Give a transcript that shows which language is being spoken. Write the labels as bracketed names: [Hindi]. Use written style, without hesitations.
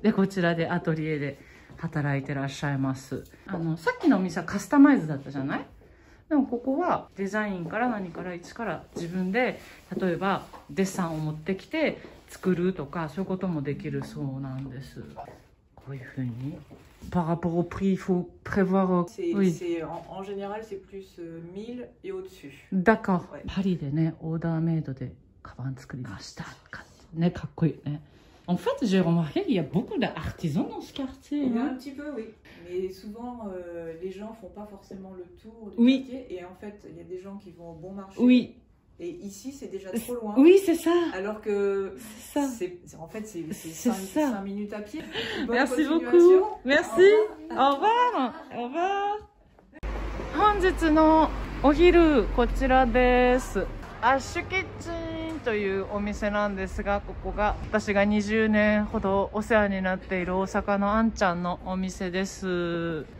[Japanese] でこちらでアトリエで働いてらっしゃいます。あのさっきのお店はカスタマイズだったじゃない。でもここはデザインから何から一から自分で例えばデッサンを持ってきて作るとか、そういうこともできるそうなんです。こういうふうに [French] par rapport au prix il faut prévoir en général c'est plus 1000 et au dessus d'accord、ouais. [Japanese] パリでねオーダーメイドでカバン作りましたね、かっこいいね。 [French] En fait j'ai remarqué il y a beaucoup d'artisans dans ce quartier、 hein? un petit peu oui mais souvent、les gens font pas forcément le tour du、oui. quartier et en fait il y a des gens qui vont au bon marché、 oui. Et ici, c'est déjà trop loin. Oui, c'est ça. Alors que... C'est ça. C'est, en fait, c'est 5 minutes à pied. Merci beaucoup. Merci. Au revoir. Au revoir. [Japanese] 本日のお昼、こちらです。アッシュキッチンというお店なんですが、ここが私が20年ほどお世話になっている大阪のあんちゃんのお店です。